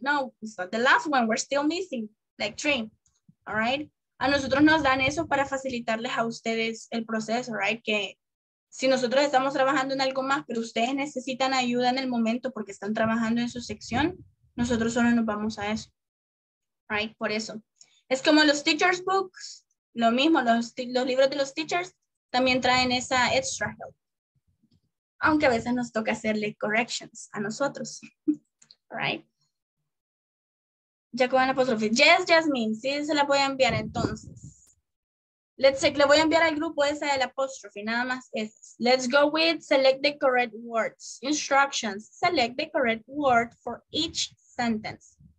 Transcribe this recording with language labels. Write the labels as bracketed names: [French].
[English] No, it's not the last one, we're still missing like three. All right, [Spanish] a nosotros nos dan eso para facilitarles a ustedes el proceso, right? Que si nosotros estamos trabajando en algo más, pero ustedes necesitan ayuda en el momento porque están trabajando en su sección, nosotros solo nos vamos a eso, right? Por eso es como los teachers books, lo mismo, los libros de los teachers también traen esa extra help. Aunque a veces nos toca hacerle corrections a nosotros. Right? Ya con el apóstrofe. Yes, Jasmine, sí se la voy a enviar entonces. [English] Let's say, [Spanish] le voy a enviar al grupo esa del apóstrofe, nada más esas. [English] Let's go with select the correct words. Instructions, select the correct word for each sentence.